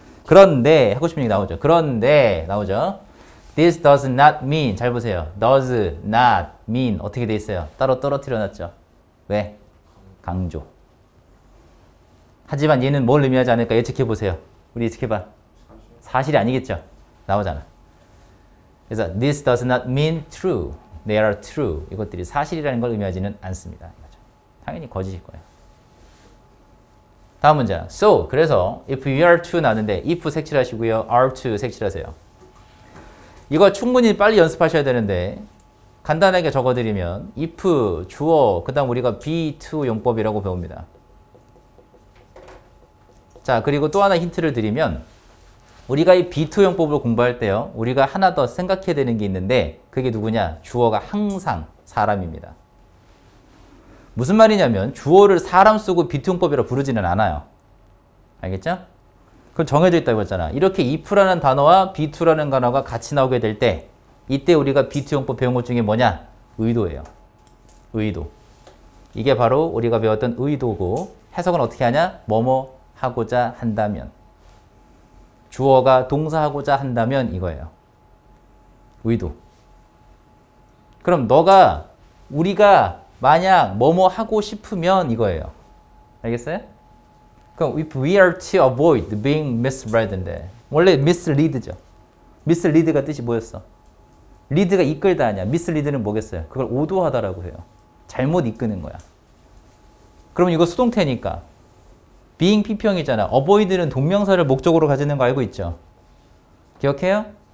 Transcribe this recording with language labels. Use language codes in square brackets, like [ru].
[ko] 그런데 하고 싶은 얘기 나오죠. 그런데 나오죠. [en] This does not mean. [ko] 잘 보세요. [en] Does not mean. [ko] 어떻게 돼 있어요? 따로 떨어뜨려 놨죠. 왜? 강조. 하지만 얘는 뭘 의미하지 않을까 예측해 보세요. 우리 예측해 봐. 사실이 아니겠죠. 나오잖아. 그래서 [en] this does not mean true. They are true. [ko] 이것들이 사실이라는 걸 의미하지는 않습니다. 맞아. 당연히 거짓일 거예요. 다음 문장. [en] So, [ko] 그래서 [en] if we are to [ko] 나는데 [en] if [ko] 색칠하시고요. [en] are to [ko] 색칠하세요. 이거 충분히 빨리 연습하셔야 되는데 간단하게 적어드리면 if 주어 그 다음 우리가 be to 용법이라고 배웁니다. 자 그리고 또 하나 힌트를 드리면 우리가 이 be to 용법을 공부할 때요. 우리가 하나 더 생각해야 되는 게 있는데 그게 누구냐? 주어가 항상 사람입니다. 무슨 말이냐면 주어를 사람 쓰고 be to 용법이라고 부르지는 않아요. 알겠죠? 그럼 정해져 있다고 했잖아. 이렇게 if라는 단어와 be to라는 단어가 같이 나오게 될 때 이때 우리가 be to 용법 배운 것 중에 뭐냐? 의도예요. 의도. 이게 바로 우리가 배웠던 의도고 해석은 어떻게 하냐? 뭐뭐 하고자 한다면. 주어가 동사하고자 한다면 이거예요. 의도. 그럼 너가 우리가 만약 뭐뭐 하고 싶으면 이거예요. 알겠어요? 그럼 [en] if we are to avoid being misread인데 [ko] 원래 [en] mislead죠. [ko] mislead가 뜻이 뭐였어? lead가 이끌다 하냐. mislead는 뭐겠어요? 그걸 오도하다라고 해요. 잘못 이끄는 거야. 그럼 이거 수동태니까 being 피평이잖아. avoid는 동명사를 목적으로 가지는 거 알고 있죠? 기억해요?